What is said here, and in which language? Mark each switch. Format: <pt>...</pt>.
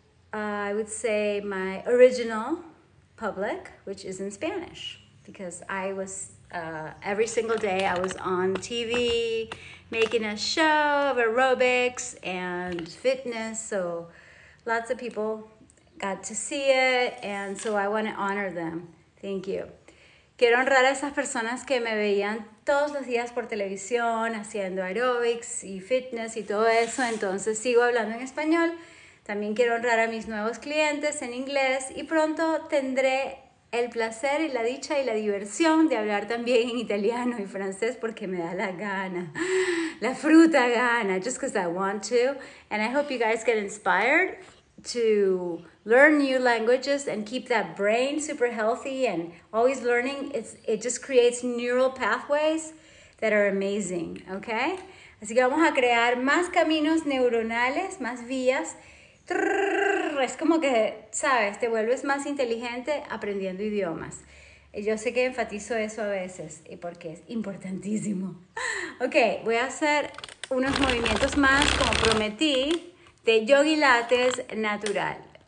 <en>I would say my original public, which is in Spanish, because I was every single day I was on TV making a show of aerobics and fitness, so lots of people got to see it, and so I want to honor them. Thank you.</en> <es>Quiero honrar a esas personas que me veían todos los días por televisión haciendo aerobics y fitness y todo eso, entonces sigo hablando en español. También quiero honrar a mis nuevos clientes en inglés y pronto tendré el placer y la dicha y la diversión de hablar también en italiano y francés porque me da la gana, la fruta gana,</es> <en>just because I want to. And I hope you guys get inspired to learn new languages and keep that brain super healthy and always learning. It just creates neural pathways that are amazing, okay?</en> <es>Así que vamos a crear más caminos neuronales, más vías. Es como que, ¿sabes? Te vuelves más inteligente aprendiendo idiomas. Yo sé que enfatizo eso a veces y porque es importantísimo. Ok, voy a hacer unos movimientos más, como prometí, de yogi lates natural.</es>